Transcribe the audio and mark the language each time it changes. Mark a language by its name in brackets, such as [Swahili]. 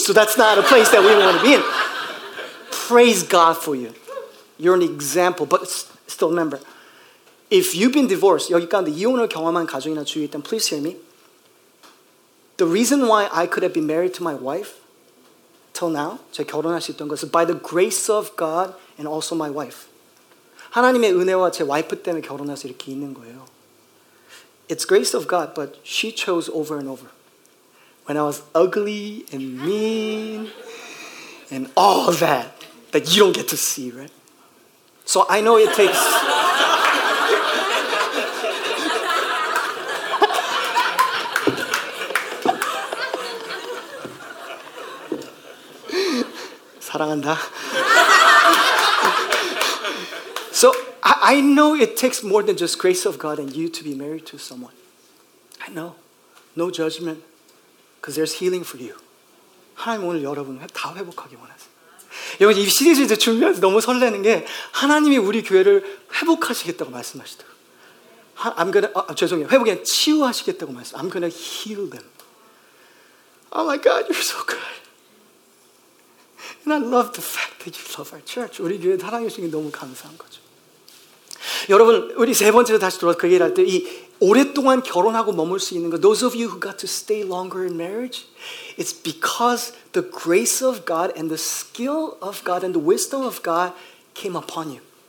[English] So that's not a place that we want to be in. Praise God for you. You're an example. But still remember, if you've been divorced, [Korean] 여기 가운데 이혼을 경험한 가정이나 주위에 있다면, [English] please hear me. The reason why I could have been married to my wife till now, [Korean] 제가 결혼할 수 있던 것은 [English] by the grace of God and also my wife. [Korean] 하나님의 은혜와 제 와이프 때문에 결혼해서 이렇게 있는 거예요. [English] It's grace of God, but she chose over and over. When I was ugly and mean and all that, that you don't get to see, right? So I know it takes... [Korean] <사랑한다. [English] laughs> So I know it takes more than just grace of God and you to be married to someone. I know. No judgment. Because there's healing for you. [Korean] 하나님 오늘 여러분 다 회복하기 원하세요. 여러분 이 시리즈 준비하면서 너무 설레는 게 하나님이 우리 교회를 회복하시겠다고 말씀하시더라고요. [English] I'm gonna, [Korean] 죄송해요. 회복이 아니라 치유하시겠다고 말씀. [English] I'm gonna heal them. Oh my God, you're so good. And I love the fact that you love our church. [Korean] 우리 교회 사랑해 주신 게 너무 감사한 거죠. 여러분, 우리 세 번째로 다시 돌아와서 그 얘기를 할 때 이 오랫동안 결혼하고 머물 수 있는 거 [English] Those of you who got to stay longer in marriage, it's because the grace of God and the skill of God and the wisdom of God came upon you.